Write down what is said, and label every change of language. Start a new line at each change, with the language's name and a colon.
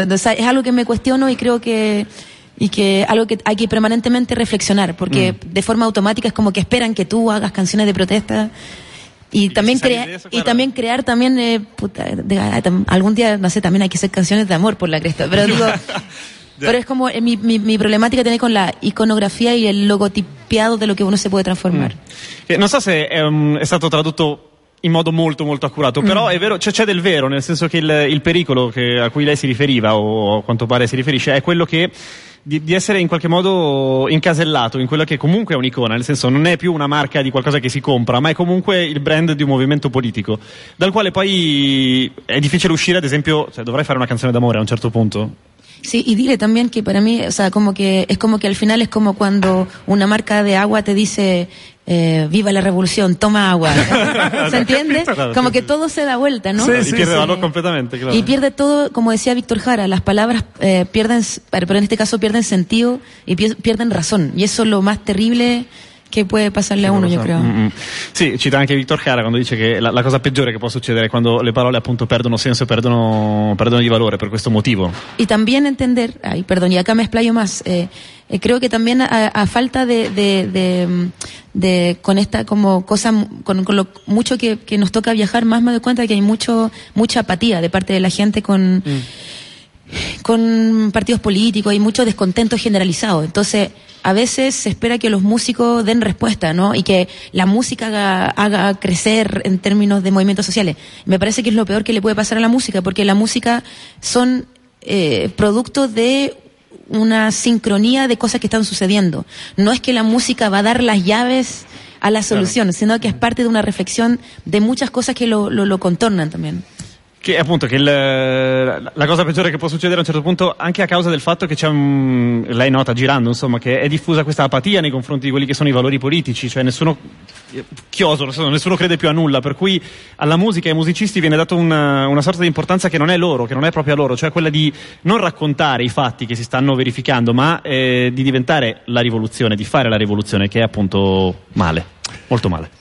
Spanish: O sea, es algo que me cuestiono y creo que. Y que algo que hay que permanentemente reflexionar, porque de forma automática es como que esperan que tú hagas canciones de protesta. Y también, crear también puta, algún día, no sé, también hay que hacer canciones de amor por la cresta. Pero digo. Yeah. Pero es como mi problemática tiene con la iconografía y el logotipiado de lo que uno se puede transformar.
Italian: Non so se è stato tradotto in modo molto molto accurato, però è vero, c'è del vero, nel senso che il pericolo che, a cui lei si riferiva o a quanto pare si riferisce è quello che di essere in qualche modo incasellato in quella che comunque è un'icona, nel senso non è più una marca di qualcosa che si compra, ma è comunque il brand di un movimento politico, dal quale poi è difficile uscire, ad esempio, cioè, dovrei fare una canzone d'amore a un certo punto.
Spanish: Sí, y dile también que para mí, o sea, como que al final es como cuando una marca de agua te dice, viva la revolución, toma agua. ¿Se entiende? Claro, como que todo se da vuelta, ¿no? Sí, y pierde valor completamente, claro. Y pierde todo, como decía Víctor Jara, las palabras pierden, pero en este caso pierden sentido y pierden razón. Y eso es lo más terrible
Italian: che può passarle a uno, io credo. Sì, cita anche Victor Jara quando dice che la cosa peggiore che può succedere è quando le parole appunto perdono senso e perdono di valore per questo motivo.
Spanish: E también entender, ay, perdón, y acá me explayo más, creo que también a falta de con esta como cosa, con lo mucho que nos toca viajar, más me doy cuenta que hay mucha apatía de parte de la gente con partidos políticos, hay mucho descontento generalizado. Entonces, a veces se espera que los músicos den respuesta, ¿no? Y que la música haga crecer en términos de movimientos sociales. Me parece que es lo peor que le puede pasar a la música, porque la música son producto de una sincronía de cosas que están sucediendo. No es que la música va a dar las llaves a la solución, claro, sino que es parte de una reflexión de muchas cosas que lo contornan también.
Italian: Che appunto che la cosa peggiore che può succedere a un certo punto, anche a causa del fatto che c'è lei nota girando, insomma, che è diffusa questa apatia nei confronti di quelli che sono i valori politici, cioè nessuno crede più a nulla, per cui alla musica e ai musicisti viene dato una sorta di importanza che non è loro, che non è proprio a loro, cioè quella di non raccontare i fatti che si stanno verificando, ma di diventare la rivoluzione, di fare la rivoluzione, che è appunto male, molto male.